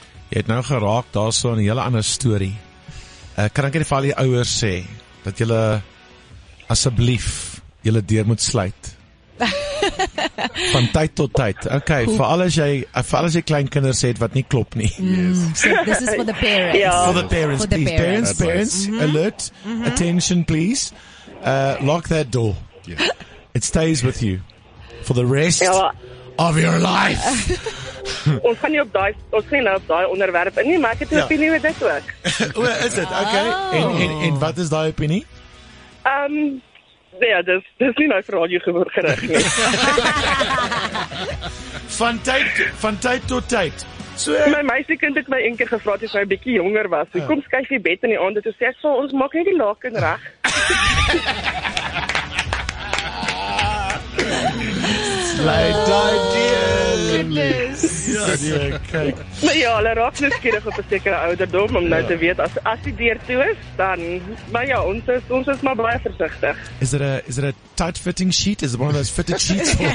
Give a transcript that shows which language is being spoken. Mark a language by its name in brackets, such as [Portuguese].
[Afrikaans] Jy het nou geraak, daar is so 'n hele ander story. Kan ek vir al die ouers sê, dat julle asseblief julle deur moet sluit. Van tyd tot tyd. Okay, vir al as jy klein kinders het wat nie klop nie. [English] Yes. So this is for the parents. Yeah. For the parents, for please. The parents. Parents, mm-hmm. Alert, mm-hmm. Attention, please. Lock that door. Yeah. It stays with you for the rest of your life. [Afrikaans] Ons gaan nie op daai, ons gaan nie op daai onderwerp in nie, maar ek het 'n opinie oor dit ook. O, is dit? Okay. En wat is daai opinie? Ja, dis nie nou vir radio gehoor gerig nie. van tyd tot tyd. So, my meisiekind het my eendag gevra toe sy 'n bietjie jonger was. Sy kom skuif die bed in die aand en sy sê so, ons maak net die laken reg. Like, die [English] goodness. [Afrikaans] Ja, ja, hulle raak nou skierig op 'n sekere ouderdom om nou te weet as die deur toe is, dan maar ja, ons is maar baie versigtig. [English] Is it a tight fitting sheet? Is it one of those fitted sheets?